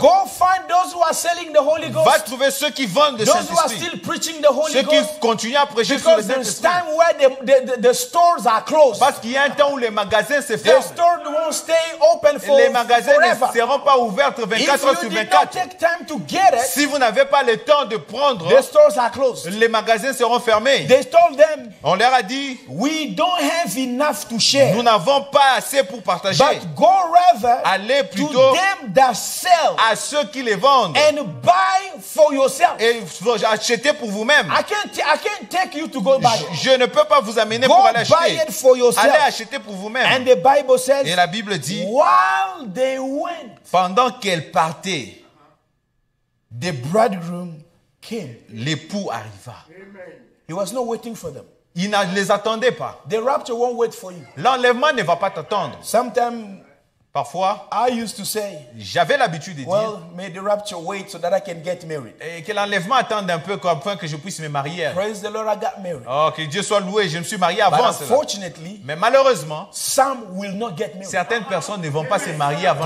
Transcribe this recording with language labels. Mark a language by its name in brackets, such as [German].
[English] Go find those who are selling the Holy Ghost. [French] Va trouver ceux qui vendent le [English] those [French] Saint-Esprit. [English] Who are still preaching the Holy [French] ceux [English] Ghost. [French] Qui continuent à prêcher [English] because [French] sur le Saint-Esprit. [English] Because there's time where the stores are closed. [French] Parce qu'il y a un temps où les magasins se [English] the [French] ferment. [English] The stores won't stay open for [French] les magasins ne seront pas ouvertes 24 heures sur 24. [English] If you did not take time to get it, [French] si vous n'avez pas le temps de prendre, [English] the stores are closed. [French] Les magasins seront fermés. [English] They told them, [French] on leur a dit, [English] we don't have enough to share. [French] Nous n'avons pas assez pour partager. [English] But go rather [French] allez plutôt [English] to them that sell, [French] à ceux qui les vendent [English] and buy for yourself. [French] Et achetez pour vous-même. [English] I can't take you to go buy it. [French] Je ne peux pas vous amener [English] go [French] pour aller acheter. [English] Buy it for yourself. [French] Allez acheter pour vous-même. [English] And the Bible says, [French] et la Bible dit, [English] while they went, [French] pendant qu'elle partait, [English] the bridegroom came. [French] L'époux arriva. [English] Amen. He was not waiting for them. [French] Il ne les attendait pas. [English] The rapture won't wait for you. [French] L'enlèvement ne va pas t'attendre. [English] Sometimes, [French] parfois, [English] I used to say, [French] j'avais l'habitude de [English] well, [French] dire, [English] may the rapture wait so that I can get married. [French] Et que l'enlèvement attende un peu afin que je puisse me marier. [English] Praise the Lord, I got married. [French] Oh, que Dieu soit loué, je me suis marié avant [English] cela. Unfortunately, mais malheureusement, some will not get married. Certaines personnes ne vont pas se marier avant